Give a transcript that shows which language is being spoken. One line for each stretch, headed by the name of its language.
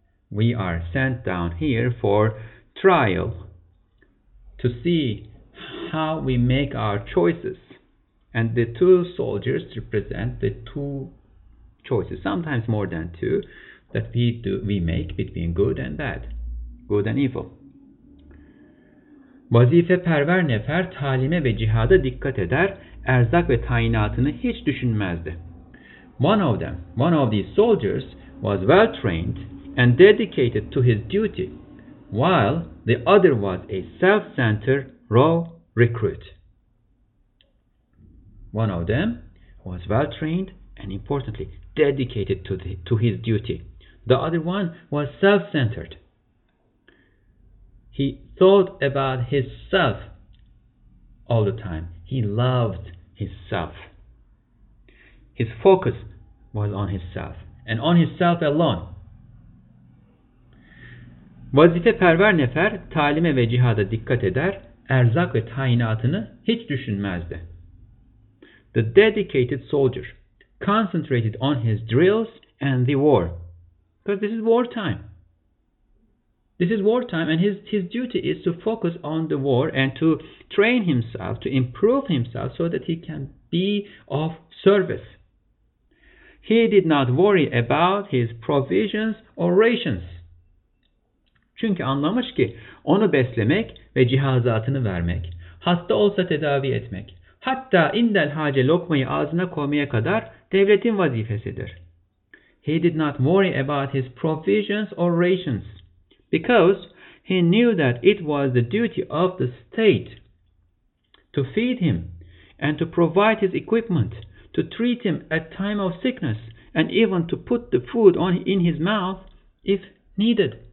English: We are sent down here for trial to see how we make our choices. And the two soldiers represent the two choices, sometimes more than two, that we make between good and bad, good and evil.
Turkish: Vazife perver nefer talime ve cihada dikkat eder, erzak ve tayinatını hiç düşünmezdi.
English: One of these soldiers was well trained and dedicated to his duty, while the other was a self-centered raw recruit. One of them was well trained and importantly dedicated to his duty. The other one was self-centered. He thought about himself all the time. He loved himself. His focus was on himself and on himself alone.
Turkish: Vazife perver nefer talime ve cihada dikkat eder, erzak ve tayinatını hiç düşünmezdi.
English: The dedicated soldier concentrated on his drills and the war. Because this is wartime. This is wartime, and his duty is to focus on the war and to train himself, to improve himself so that he can be of service. He did not worry about his provisions or rations.
Turkish: Çünkü anlamış ki onu beslemek ve cihazatını vermek, hasta olsa tedavi etmek, hatta indel hace lokmayı ağzına koymaya kadar devletin vazifesidir.
English: He did not worry about his provisions or rations, because he knew that it was the duty of the state to feed him and to provide his equipment, to treat him at time of sickness, and even to put the food on in his mouth if needed.